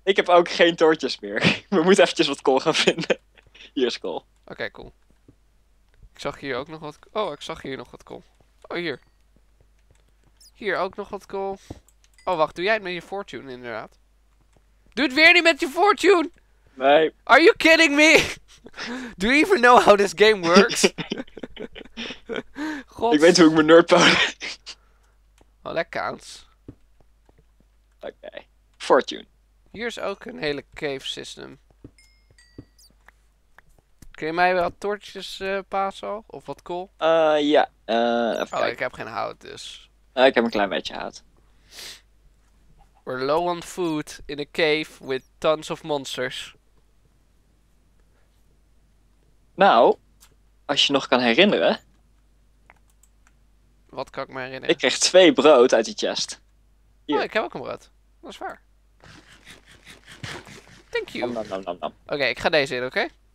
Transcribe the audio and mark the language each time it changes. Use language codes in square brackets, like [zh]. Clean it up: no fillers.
[nl] Ik heb ook geen toortjes meer. We moeten eventjes wat kool gaan vinden. Hier is kool. Oké, cool. Ik zag hier ook nog wat... Oh, ik zag hier nog wat kool. Oh, hier. Hier ook nog wat kool. Oh, wacht. Doe jij het met je fortune, inderdaad? Doe het weer niet met je fortune! Nee. [en] Are you kidding me? Do you even know how this game works? God. [nl] Ik weet hoe ik mijn nerdpower... Oh, dat counts. Oké, fortune. Hier is ook een hele cave system. Kun je mij wel toortjes passen al? Of wat kool? Ja. Even kijken. Ik heb geen hout dus. Ik heb een klein beetje hout. [en] We're low on food in a cave with tons of monsters. [nl] Nou, als je nog kan herinneren. Wat kan ik me herinneren? Ik kreeg 2 brood uit die chest. Hier. Oh, ik heb ook een brood. Dat is waar. [en] Thank you. [nl] Oké, ik ga deze in, oké?